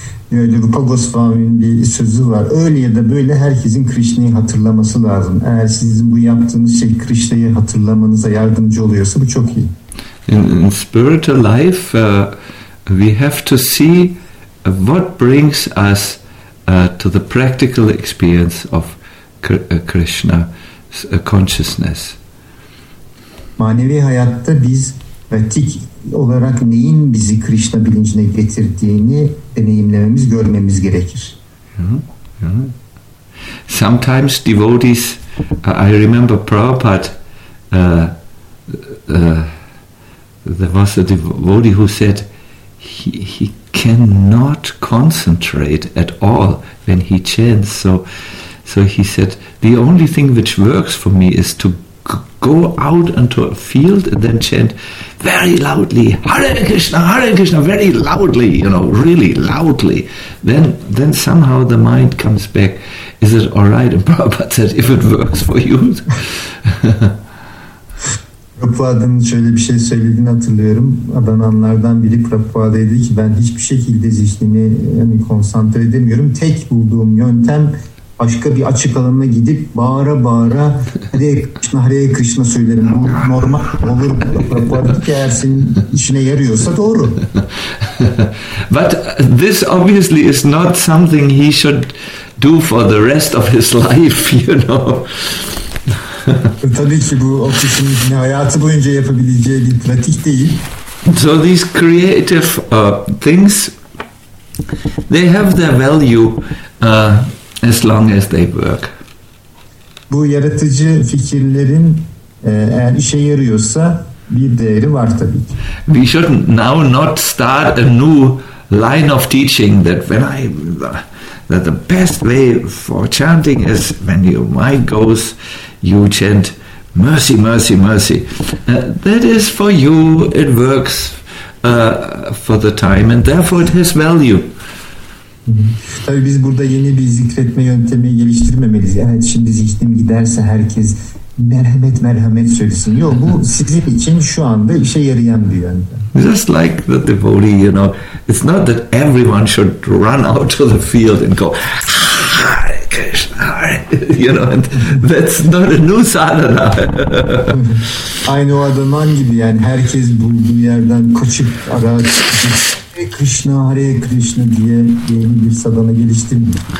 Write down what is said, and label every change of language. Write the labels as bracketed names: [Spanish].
[Turkish] Yani Rupa Goswami'nin bir sözü var. Öyle ya da böyle herkesin Krishna'yı hatırlaması lazım. Eğer sizin bu yaptığınız şey Krishna'yı hatırlamanıza yardımcı oluyorsa bu çok iyi. [English] In spiritual life, we have to see what brings us to the practical experience of Krishna consciousness. [Turkish] Manevi hayatta biz pratik olarak neyin bizi Krishna bilincine getirdiğini deneyimlememiz, görmemiz gerekir. Mm-hmm. [English] Sometimes devotees, I remember Prabhupada, there was a devotee who said he cannot concentrate at all when he chants. So he said, the only thing which works for me is to go out into a field and then chant very loudly, Hare Krishna, very loudly, you know, really loudly. Then somehow the mind comes back. Is it all right? And Prabhupada said, if it works for you. [Turkish] Prabhupada'nın şöyle bir şey söylediğini hatırlıyorum. Adananlardan biri Prabhupada dedi ki, ben hiçbir şekilde zihnimi yani konsantre edemiyorum. Tek bulduğum yöntem başka bir açık alana gidip bağıra bağıra Hare Krishna söylerim. Bu normal olur. Prabhupada dedi ki, eğer senin işine yarıyorsa doğru. [English] But this obviously is not something he should do for the rest of his life, you know. [Turkish] Tabii ki bu o kişinin hayatı boyunca yapabileceği bir pratik değil. [English] So these creative things, they have their value as long as they work. [Turkish] Bu yaratıcı fikirlerin eğer işe yarıyorsa bir değeri var tabii ki. [English] We should now not start a new line of teaching that that the best way for chanting is when your mind goes, you chant mercy, mercy, mercy. That is for you, it works for the time, and therefore it has value. [Turkish] Tabii biz burada yeni bir zikretme yöntemi geliştirmemeliyiz. Yani şimdi zihnim giderse herkes merhamet merhamet söylesin. Yok, bu sizin için şu anda işe yarayan bir yöntem. [English] Just like the devotee, you know, it's not that everyone should run out to the field and go, Hare Krishna, you know, and that's not a new sadhana. [Turkish] Aynı o adaman gibi yani herkes bulduğu yerden koşup araç Hare Krishna, Hare Krishna diye yeni bir sadhana geliştirmiyor.